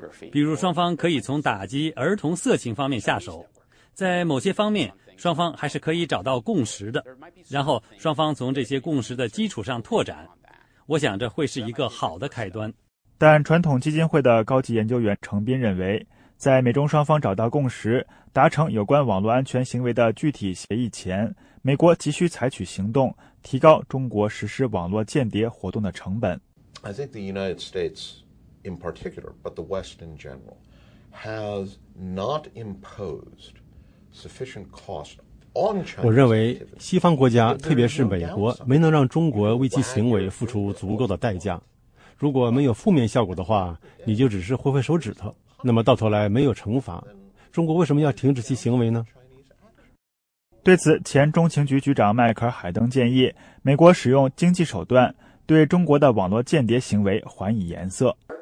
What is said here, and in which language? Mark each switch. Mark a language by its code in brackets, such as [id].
[zh] 比如双方可以从打击儿童色情方面下手，在某些方面双方还是可以找到共识的，然后双方从这些共识的基础上拓展，我想这会是一个好的开端。但传统基金会的高级研究员程斌认为，在美中双方找到共识，达成有关网络安全行为的具体协议前，美国急需采取行动，提高中国实施网络间谍活动的成本。 [en] I think the United States in particular, but the West in general, has not imposed sufficient cost on China. [zh] 我认为西方国家，特别是美国，没能让中国为其行为付出足够的代价。如果没有负面效果的话，你就只是挥挥手指头，那么到头来没有惩罚，中国为什么要停止其行为呢？对此，前中情局局长迈克尔·海登建议，美国使用经济手段对中国的网络间谍行为还以颜色。